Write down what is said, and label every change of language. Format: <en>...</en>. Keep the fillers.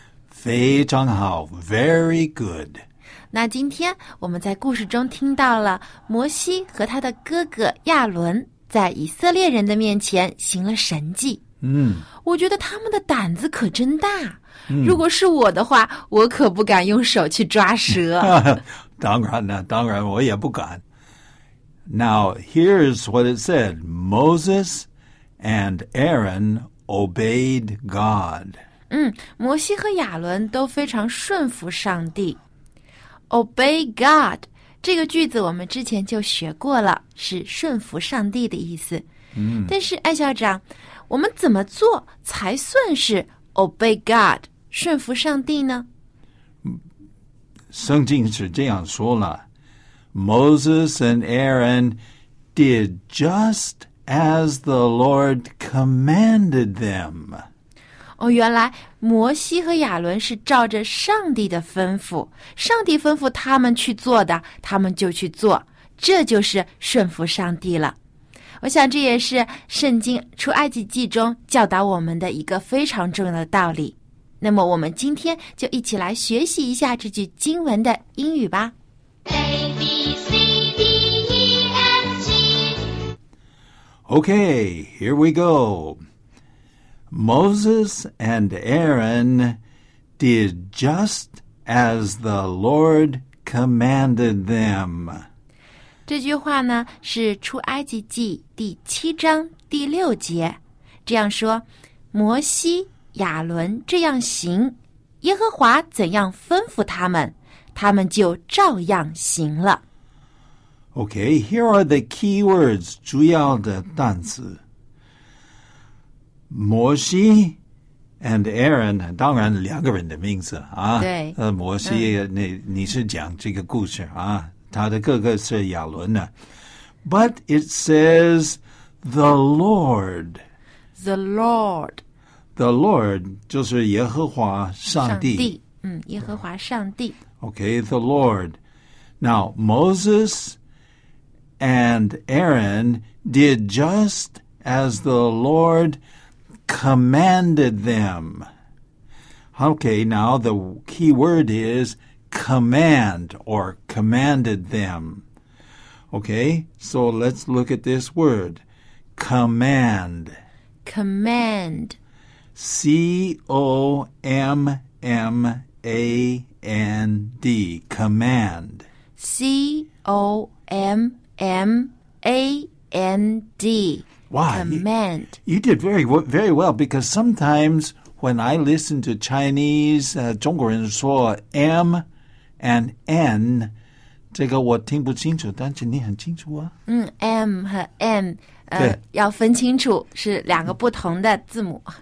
<zh>非常好，</zh> <en>very good。</en> <zh>那今天我们在故事中听到了摩西和他的哥哥亚伦在以色列人的面前行了神迹。嗯，我觉得他们的胆子可真大。嗯、如果是我的话，我可不敢用手去抓蛇。当然了，当然我也不敢。</zh> <en>Now here's what it said: Moses and Aaron obeyed God. 嗯，</en> <zh>摩西和亚伦都非常顺服上帝，</zh> <en>obey God。</en> <zh>这个句子我们之前就学过了，是顺服上帝的意思。嗯，但是艾校长，我们怎么做才算是</zh> <en>obey God，</en> <zh>顺服上帝呢？圣经是这样说了：</zh> <en>Moses and Aaron did just as the Lord commanded them。</en> <zh>哦，原来摩西和亚伦是照着上帝的吩咐，上帝吩咐他们去做的，他们就去做，这就是顺服上帝了。我想这也是圣经出埃及记中教导我们的一个非常重要的道理。那么，我们今天就一起来学习一下这句经文的英语吧。</zh> <en>A B C D E F G。 Okay, here we go. Moses and Aaron did just as the Lord commanded them.</en> <zh>这句话呢是《出埃及记》第七章第六节，这样说：摩西、亚伦这样行，耶和华怎样吩咐他们，他们就照样行了。</zh> <en>Okay, here are the keywords</en> <zh>主要的单词。嗯摩西 and Aaron，当然两个人的名字啊。对。呃，摩西，嗯、你你是讲这个故事啊？他的哥哥是亚伦呢。</zh> <en>But it says the Lord. The Lord.</en> <zh>The Lord 就是耶和华上帝。上帝，嗯，耶和华上帝。</zh> <en>Okay, oh. the Lord. Now Moses and Aaron did just as the Lord commanded them. Okay, now the key word is command or commanded them. Okay, so let's look at this word command. Command. C O M M A N D. Command. C O M M A N D. Wow, command. You, you did very very well because sometimes when I listen to Chinese, uh, Chinese uh, M and N,</en> <zh>这个我听不清楚,但是你很清楚啊。 M mm, 和 N 要分清楚是两个不同的字母。</zh>